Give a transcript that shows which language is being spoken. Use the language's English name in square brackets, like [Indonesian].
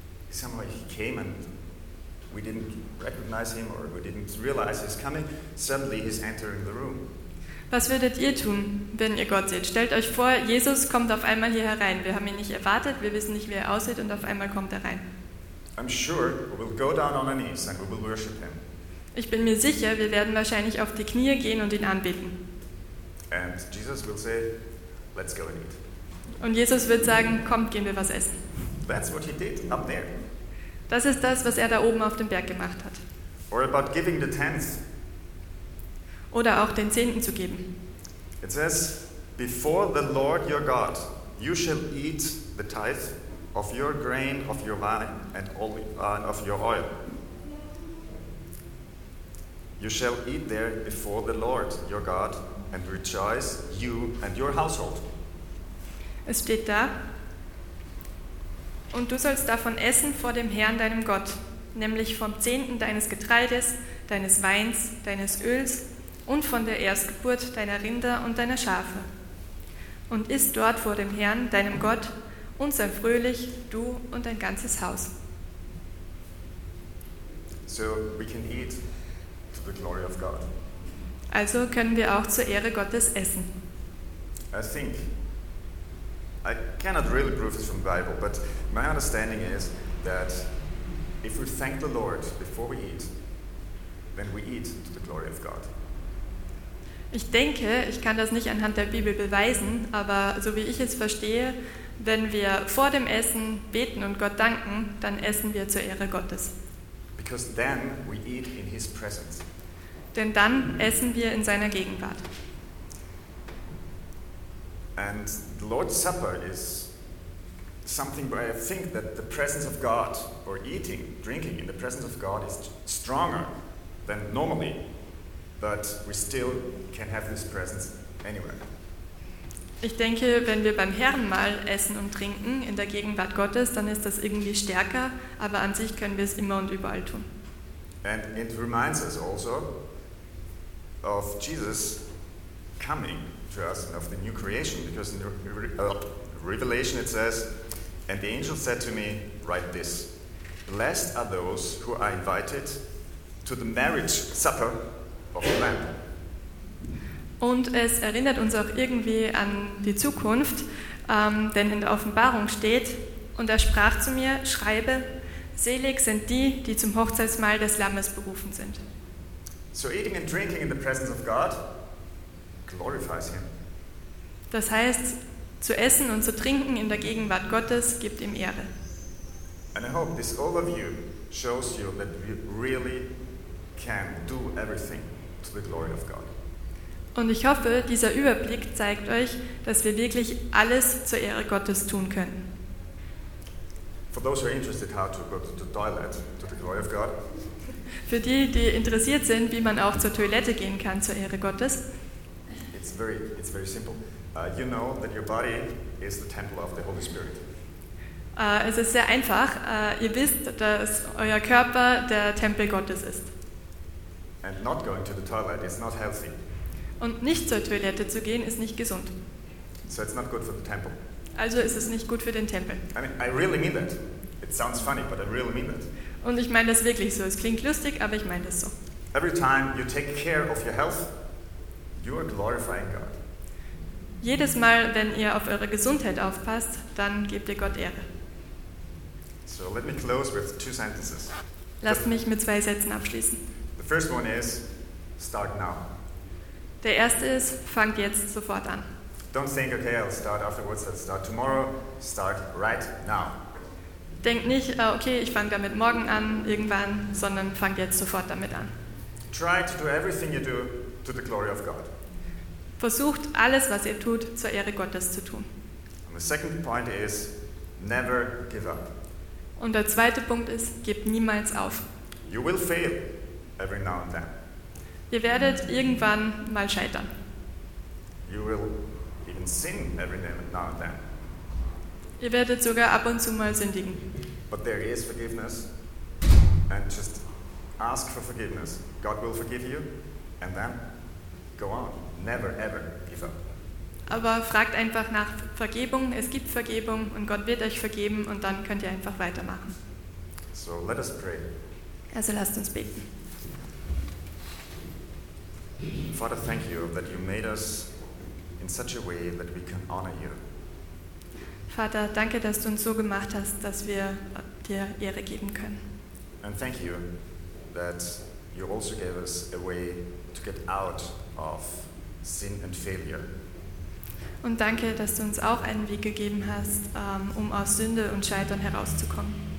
[English] Somehow he came and we didn't recognize him or we didn't realize he's coming. Suddenly he's entering the room. [German] Was würdet ihr tun, wenn ihr Gott seht? Stellt euch vor, Jesus kommt auf einmal hier herein. Wir haben ihn nicht erwartet. Wir wissen nicht, wie er aussieht, und auf einmal kommt er rein. [English] I'm sure we will go down on our knees and we will worship him. [German] Ich bin mir sicher, wir werden wahrscheinlich auf die Knie gehen und ihn anbeten. [English] And Jesus will say, let's go and eat. [German] Und Jesus wird sagen, kommt, gehen wir was essen. [English] That's what he did up there. [German] Das ist das, was er da oben auf dem Berg gemacht hat. [English] Or about giving the tenth. [German] Oder auch den Zehnten zu geben. [English] It says, before the Lord your God, you shall eat the tithe of your grain, of your wine, and of your oil. You shall eat there before the Lord your God, and rejoice, you and your household. [German] Es steht da, und du sollst davon essen vor dem Herrn deinem Gott, nämlich vom Zehnten deines Getreides, deines Weins, deines Öls und von der Erstgeburt deiner Rinder und deiner Schafe. Und iss dort vor dem Herrn deinem Gott und sei fröhlich, du und dein ganzes Haus. [English] So we can eat to the glory of God. [German] Also können wir auch zur Ehre Gottes essen. [English] I think, I cannot really prove this from the Bible, but my understanding is that if we thank the Lord before we eat, then we eat to the glory of God. [German] Ich denke, ich kann das nicht anhand der Bibel beweisen, aber so wie ich es verstehe, wenn wir vor dem Essen beten und Gott danken, dann essen wir zur Ehre Gottes. [English] Because then we eat in his presence. [German] Denn dann essen wir in seiner Gegenwart. [English] And the Lord's Supper is something where I think that the presence of God, or eating, drinking in the presence of God, is stronger than normally but we still can have this presence anywhere. [German] Ich denke, wenn wir beim Herrn mal essen und trinken in der Gegenwart Gottes, dann ist das irgendwie stärker, aber an sich können wir es immer und überall tun. [English] And it reminds us also of Jesus coming to us and of the new creation, because in Revelation it says, and the angel said to me, write this, blessed are those who are invited to the marriage supper of the Lamb. [German] Und es erinnert uns auch irgendwie an die Zukunft, denn in der Offenbarung steht, und er sprach zu mir, schreibe, selig sind die, die zum Hochzeitsmahl des Lammes berufen sind. [English] So eating and drinking in the presence of God glorifies him. [German] Das heißt, zu essen und zu trinken in der Gegenwart Gottes gibt ihm Ehre. [English] And I hope this overview shows you that we really can do everything to the glory of God. [German] Und ich hoffe, dieser Überblick zeigt euch, dass wir wirklich alles zur Ehre Gottes tun können. [English] For those who are interested how to go to the toilet to the glory of God. [German] Für die, die interessiert sind, wie man auch zur Toilette gehen kann zur Ehre Gottes. [English] It's very simple. You know that your body is the temple of the Holy Spirit. [German] Es ist sehr einfach. Ihr wisst, dass euer Körper der Tempel Gottes ist. [English] And not going to the toilet is not healthy. [German] Und nicht zur Toilette zu gehen, ist nicht gesund. [English] So it's not good for the temple. [German] Also ist es nicht gut für den Tempel. [English] I mean, I really mean that. It sounds funny, but I really mean that. [German] Und ich meine das wirklich so. Es klingt lustig, aber ich meine das so. [English] Every time you take care of your health, you are glorifying God. [German] Jedes Mal, wenn ihr auf eure Gesundheit aufpasst, dann gebt ihr Gott Ehre. [English] So let me close with two sentences. [German] Lasst mich mit zwei Sätzen abschließen. [English] The first one is, start now. [German] Der erste ist, fangt jetzt sofort an. [English] Don't think, okay, I'll start afterwards, I'll start tomorrow. Start right now. [German] Denkt nicht, okay, ich fange damit morgen an, irgendwann, sondern fangt jetzt sofort damit an. [English] Try to do everything you do to the glory of God. [German] Versucht, alles, was ihr tut, zur Ehre Gottes zu tun. [English] And the second point is, never give up. [German] Und der zweite Punkt ist, gebt niemals auf. [English] You will fail every now and then. [German] Ihr werdet irgendwann mal scheitern. [English] You will even sin every now and then. [German] Ihr werdet sogar ab und zu mal sündigen. [English] But there is forgiveness, and just ask for forgiveness. God will forgive you, and then go on. Never ever give up. [German] Aber fragt einfach nach Vergebung. Es gibt Vergebung, und Gott wird euch vergeben, und dann könnt ihr einfach weitermachen. [English] So let us pray. [German] Also lasst uns beten. [English] Father, thank you that you made us in such a way that we can honor you. [German] Vater, danke, dass du uns so gemacht hast, dass wir dir Ehre geben können. [English] And thank you that you also gave us a way to get out of sin and failure. [German] Und danke, dass du uns auch einen Weg gegeben hast, um aus Sünde und Scheitern herauszukommen.